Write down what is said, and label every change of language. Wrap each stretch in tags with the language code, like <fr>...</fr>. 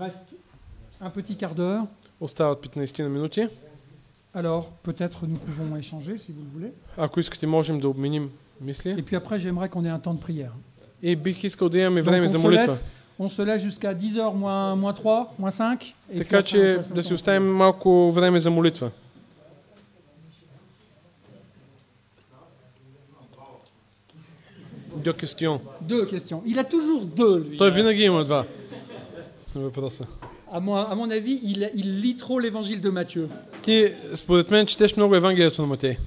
<fr>reste un petit quart d'heure.</fr> <bg>Остават 15 минути.</bg> <fr>Alors, peut-être nous pouvons échanger si vous le voulez.</fr> <bg>Ако искате, можем да обменим мисли.</bg> <fr>Et puis après j'aimerais qu'on ait un temps de prière.</fr> <bg>Et бих искал да имаме време за молитва.</bg> <fr>On se laisse jusqu'à 10h moins 3, moins 5.</fr> <bg>Така че да си оставим малко време за молитва.</bg> <fr>Deux questions. Deux questions. Il a toujours deux, lui.</fr> <bg>Той винаги има два. Въпроса.</bg> <fr>À mon avis, il lit trop l'évangile de Matthieu.</fr> <bg>Ти според мен четеш много евангелието на Матей.</bg>